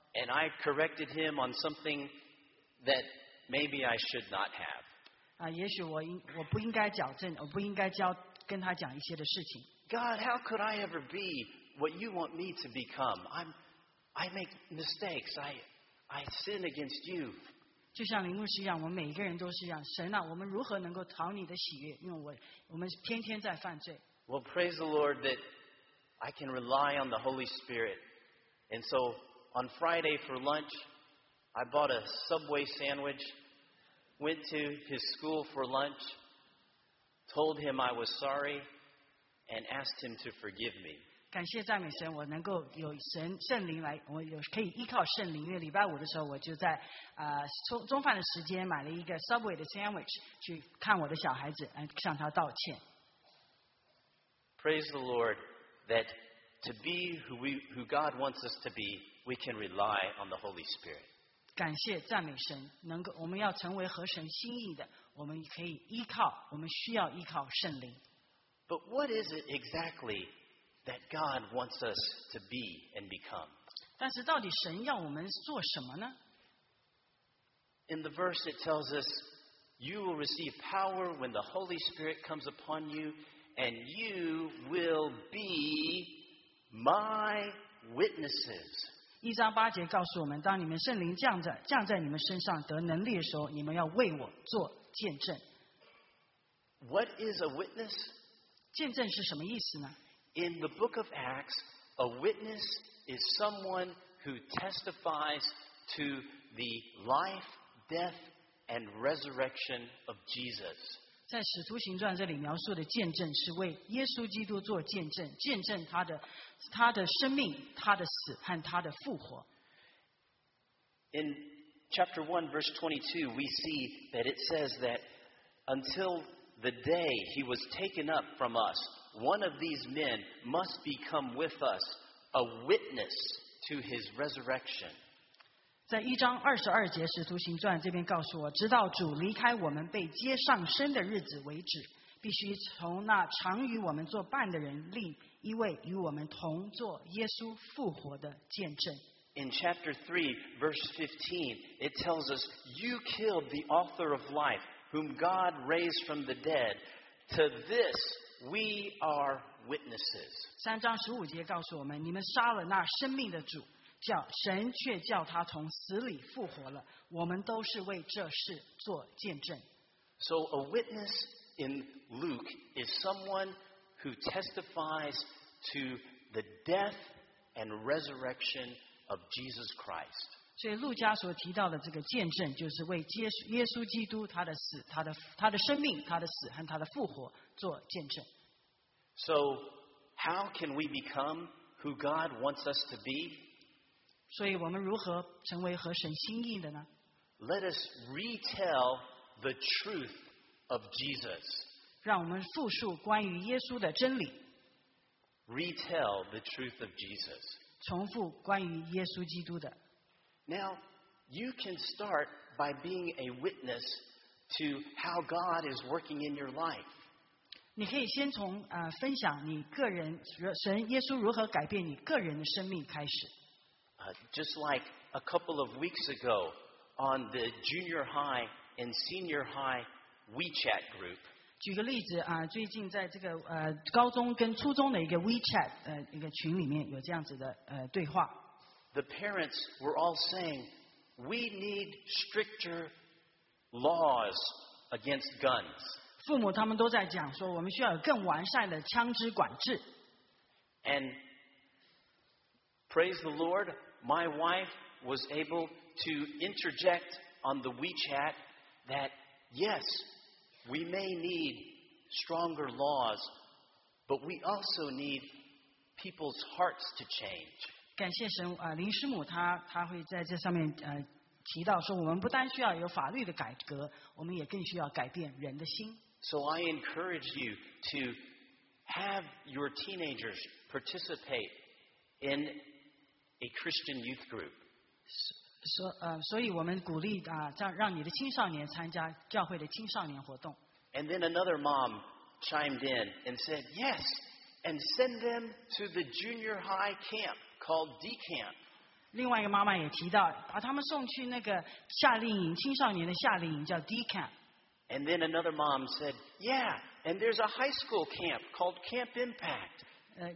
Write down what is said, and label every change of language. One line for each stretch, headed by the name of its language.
English: And I corrected him on something that maybe I should not have.
Chinese: 也许我不应该矫正，我不应该教跟他讲一些的事情。
English: God, how could I ever be what you want me to become? I make mistakes. I sin against you.
Chinese: 就像林牧师一样，我们每一个人都是一样。神啊，我们如何能够讨你的喜悦？因为我们天天在犯罪。
English: Well, praise the Lord that I can rely on the Holy Spirit. And so on Friday for lunch, I bought a Subway sandwich, went to his school for lunch, told him I was sorry, and asked him to forgive me.
Chinese: 感谢赞美神，我能够有神圣灵来，我有可以依靠圣灵。因为礼拜五的时候，我就在中饭的时间买了一个 Subway 的 sandwich 去看我的小孩子，向他道歉。
English: Praise the Lord that to be who God wants us to be, we can rely on the Holy Spirit.
Chinese: 感谢赞美神，能够我们要成为合神心意的，我们可以依靠，我们需要依靠圣灵。
English: But what is it exactly? That God wants us to be and become.
Chinese: 但是到底神要我们做什么呢？
English: In the verse it tells us, you will receive power when the Holy Spirit comes upon you, and you will be my witnesses.
Chinese: 一章八节告诉我们，当你们圣灵降在你们身上得能力的时候，你们要为我做见证。
English: What is a witness?
Chinese: 见证是什么意思呢？
English: In the book of Acts, a witness is someone who testifies to the life, death, and resurrection of Jesus.
Chinese: 在《使徒行传》这里描述的见证是为耶稣基督做见证，见证他的生命、他的死和他的复活。
English: In chapter 1, verse 22, we see that it says that until the day he was taken up from us,One of these men must become with us a witness to his resurrection.
Chinese: 在一章二十二节《使徒行传》这边告诉我，直到主离开我们被接上升的日子为止，必须从那常与我们作伴的人立一位与我们同作耶稣复活的见证。
English: In chapter 3, verse 15, it tells us, "You killed the author of life, whom God raised from the dead. To this,We are witnesses.
Chinese: 三章十五节告诉我们，你们杀了那生命的主，叫神却叫他从死里复活了。我们都是为这事做见证。
English: So a witness in Luke is someone who testifies to the death and resurrection of Jesus Christ.
Chinese: 所以路加所提到的这个见证，就是为耶稣基督他的死、他的生命、他的死和他的复活。做见证。
English: So, how can we become who God wants us to be?
Chinese: 所以我们如何成为合神心意的呢？
English: Let us retell the truth of Jesus.
Chinese: 让我们复述关于耶稣的真理。
English: Retell the truth of Jesus.
Chinese: 重复关于耶稣基督的。
English: Now, you can start by being a witness to how God is working in your life.
Chinese: 你可以先从分享你个人神耶稣如何改变你个人的生命开始。
English: Just like a couple of weeks ago on the junior high and senior high WeChat group.
Chinese: 举个例子最近在这个高中跟初中的一个 WeChat 一个群里面有这样子的对话。
English: The parents were all saying, "We need stricter laws against guns."
Chinese: 父母他们都在讲说，我们需要有更完善的枪支管制。
English: And praise the Lord, my wife was able to interject on the WeChat that yes, we may need stronger laws, but we also need people's hearts to change.
Chinese: 感谢神林师母他会在这上面提到说，我们不单需要有法律的改革，我们也更需要改变人的心。
English: So I encourage you to have your teenagers participate in a Christian youth group.
Chinese: So, 我们鼓励让你的青少年参加教会的青少年活动。
English: And then another mom chimed in and said, "Yes, and send them to the junior high camp called D Camp."
Chinese: 另外一个妈妈也提到，把他们送去那个夏令营，青少年的夏令营叫 D Camp。
English: And then another mom said, "Yeah, and there's a high school camp called Camp Impact."